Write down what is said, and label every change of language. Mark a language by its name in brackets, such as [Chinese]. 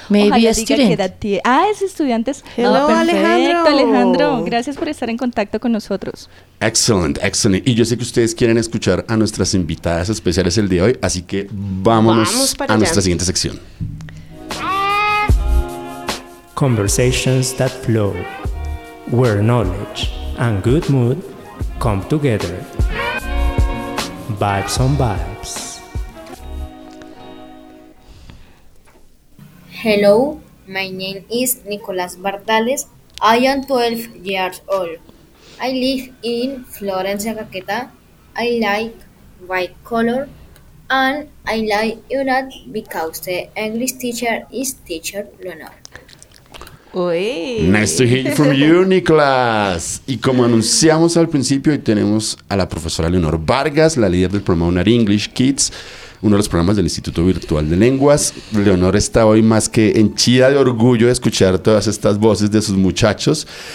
[English] Maybe [Spanish] ojalá a diga que edad tiene. Ah, es estudiante. [English] Hello, Alejandro. [Spanish] Alejandro, gracias por estar en contacto con nosotros. [English] Excellent, excellent. [Spanish] Y yo sé que ustedes quieren escuchar a nuestras invitadas especiales el día de hoy, así que vámonos a nuestra siguiente sección. [English] Conversations that flow, where knowledge and good mood come together. Vibes on Vibes. Hello, my name is Nicolas Bartales. I am 12 years old. I live in Florence, Caquetá. I like white color and I like UNAD because the English teacher is teacher Leonor. Uy. Nice to hear from you, Nicolás. [Spanish] Y como anunciamos al principio, hoy tenemos a la profesora Leonor Vargas, la líder del programa UNAR English Kids, uno de los programas del Instituto Virtual de Lenguas. Leonor está hoy más que henchida de orgullo de escuchar todas estas voces de sus muchachos.